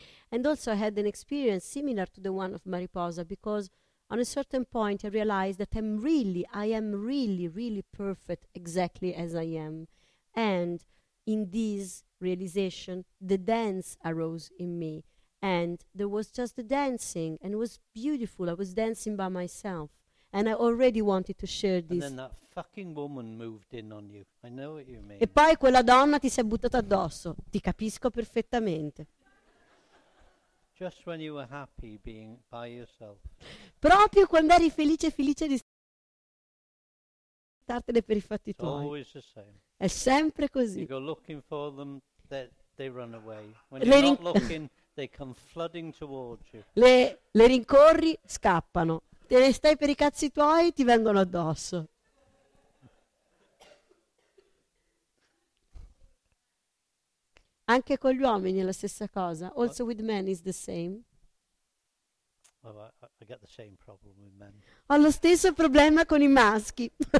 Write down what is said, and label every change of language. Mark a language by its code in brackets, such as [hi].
[en] And also I had an experience similar to the one of Mariposa, because on a certain point I realized that I am really perfect exactly as I am, and in this realization the dance arose in me, and there was just the dancing, and it was beautiful. I was dancing by myself. And I already wanted to share this. And then that fucking woman moved in on you. I know what you mean. [it] E poi quella donna ti si è buttata addosso. Ti capisco perfettamente. [en] Just when you were happy being by yourself. [it] Proprio quando eri felice di startene per i fatti tuoi. [en] Always the same. [it] È sempre così. [en] You go looking for them, they run away. When you're not looking, they come flooding towards you. [it] Le rincorri, scappano. Te ne stai per i cazzi tuoi, ti vengono addosso. Anche con gli uomini è la stessa cosa. [en] Also with men is the same. Well, I get the same problem with men. [it] Ho lo stesso problema con i maschi.